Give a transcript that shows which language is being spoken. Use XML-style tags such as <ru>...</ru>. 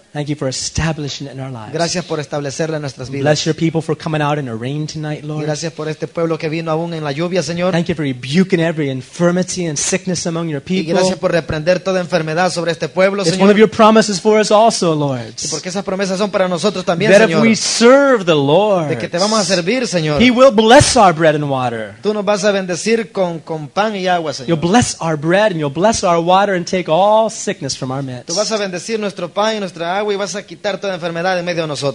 <en>Thank you for establishing it in our lives.</en> <es>Gracias por establecerla en nuestras vidas.</es> <en>Bless your people for coming out in the rain tonight, Lord.</en> <es>Gracias por este pueblo que vino aún en la lluvia, Señor.</es> <en>Thank you for rebuking every infirmity and sickness among your people.</en> <es>Y gracias por reprender toda enfermedad sobre este pueblo,</es> <en>It's</en> <es>Señor.</es> <en>It's one of your promises for us also, Lord.</en> <es>Y porque esas promesas son para nosotros también,</es> <en>that</en> <es>Señor.</es> <en>That if we serve the Lord,</en> <es>de que te vamos a servir, Señor.</es> <en>He will bless our bread and water.</en> <es>Tú nos vas a bendecir con pan y agua, Señor.</es> <en>You'll bless our bread and you'll bless our water and take all sickness from our midst.</en> <es>Tú vas a bendecir nuestro pan y nuestra agua y vas a quitar toda enfermedad en medio de nosotros.</es>